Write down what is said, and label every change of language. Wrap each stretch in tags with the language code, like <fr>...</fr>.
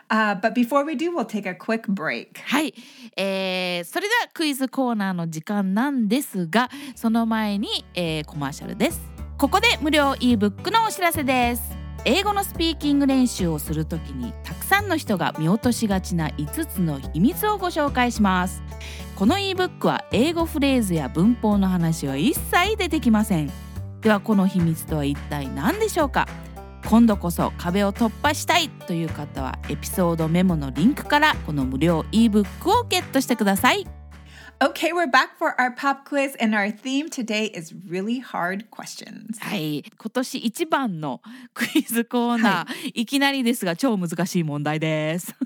<en>But before we do, we'll take a quick break. Hi.</en> <ja>それではクイズコーナーの時間なんですが、その前に、コマーシャルです。ここで無料 e-book のお知らせです。英語のスピーキング練習をするときに、たくさんの人が見落としがちな5つの秘密をご紹介します。この e-book は英語フレーズや文法の話は一切出てきません。ではこの秘密とは一体何でしょうか。今度こそ壁を突破したいという方はエピソードメモのリンクからこの無料 e-book をゲットしてください。</ja> <en>Okay, we're back for our pop quiz and our theme today is really hard questions.</en> <ja>はい、今年一番のクイズコーナー、はい、いきなりですが超難しい問題です。</ja>